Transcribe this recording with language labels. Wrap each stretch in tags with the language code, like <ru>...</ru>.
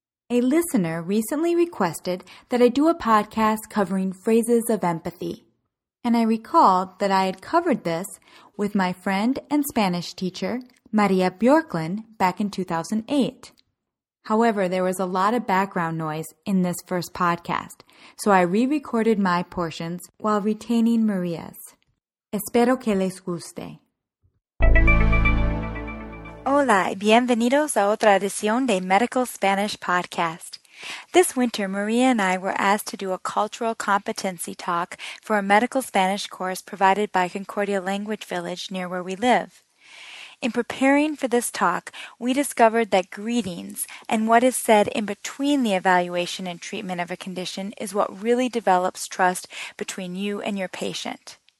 <en>A listener recently requested that I do a podcast covering phrases of empathy, and I recalled that I had covered this with my friend and Spanish teacher, Maria Bjorklund, back in 2008. However, there was a lot of background noise in this first podcast, so I re-recorded my portions while retaining Maria's.</en> <es>Espero que les guste. Hola, bienvenidos a otra edición de Medical Spanish Podcast.</es> <en>This winter, Maria and I were asked to do a cultural competency talk for a medical Spanish course provided by Concordia Language Village near where we live. In preparing for this talk, we discovered that greetings and what is said in between the evaluation and treatment of a condition is what really develops trust between you and your patient.</en>